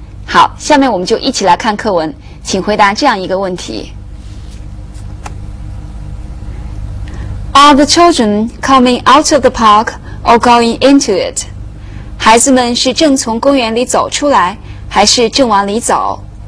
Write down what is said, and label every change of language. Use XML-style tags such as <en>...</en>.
<zh>好，下面我们就一起来看课文，请回答这样一个问题。</zh> <en>Are the children coming out of the park or going into it?</en> <zh>孩子们是正从公园里走出来还是正往里走？</zh>